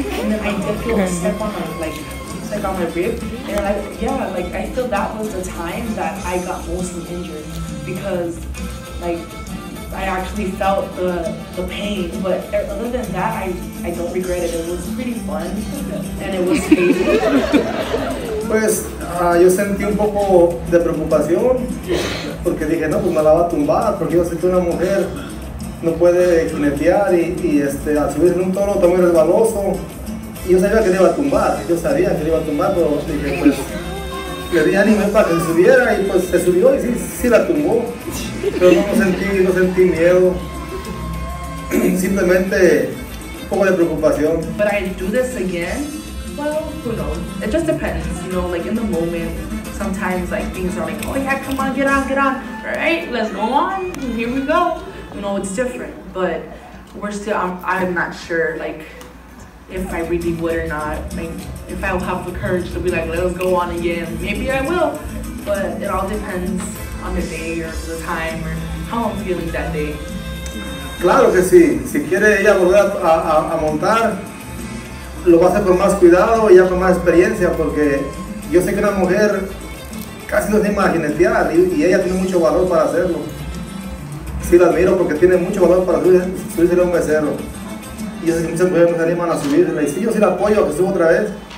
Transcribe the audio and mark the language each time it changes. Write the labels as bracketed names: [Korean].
[English] And then I did feel a step on my, like, on my rib. And, like, yeah, like, I feel that was the time that I got mostly injured. Because, like, I actually felt the pain, but other than that, I don't regret it. It was pretty fun, and it was painful. [Spanish] Pues, yo sentí un poco de preocupación, porque dije, no, pues me la va a tumbar, porque yo sé que una mujer no puede jinetear y al subir en un toro está muy resbaloso, y yo sabía que le iba a tumbar, yo sabía que le iba a tumbar, pero dije, pues, le di ánimo para que se subiera, y pues se subió y sí la tumbó, pero no sentí miedo, simplemente un poco de preocupación. [English] But I do this again, well, who knows, it just depends, you know, like in the moment, sometimes like things are like, oh yeah, come on, get on, all right, let's go on, here we go, you know, it's different, but we're still, I'm not sure, like, if I really would or not, like, if I'll have the courage to be like, let's go on again, maybe I will, but it all depends on the day or the time or how I'm feeling that day. [Spanish] Claro que sí, si quiere ella volver a montar, lo va a hacer con más cuidado y ya con más experiencia, porque yo sé que una mujer casi no se imagina el tirar y ella tiene mucho valor para hacerlo. Sí, la admiro porque tiene mucho valor para subirse a un becerro. Y yo sé que muchas mujeres no se animan a subirla y sí, yo sí la apoyo, que subo otra vez.